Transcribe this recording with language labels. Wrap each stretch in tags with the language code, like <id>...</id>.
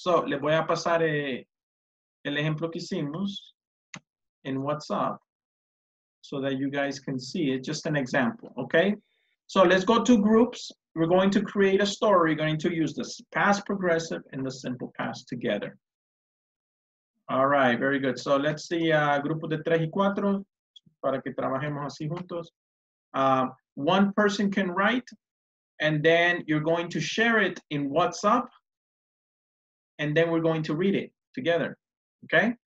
<en>So</en> <es>le voy a pasar el ejemplo que hicimos</es> <en>in WhatsApp, so that you guys can see it, just an example, okay? So let's go to groups. We're going to create a story. We're going to use the past progressive and the simple past together. All right, very good. So let's see</en> <es>grupo de tres y cuatro para que trabajemos así juntos.</es> <en>One person can write, and then you're going to share it in WhatsApp, and then we're going to read it together, okay?</en>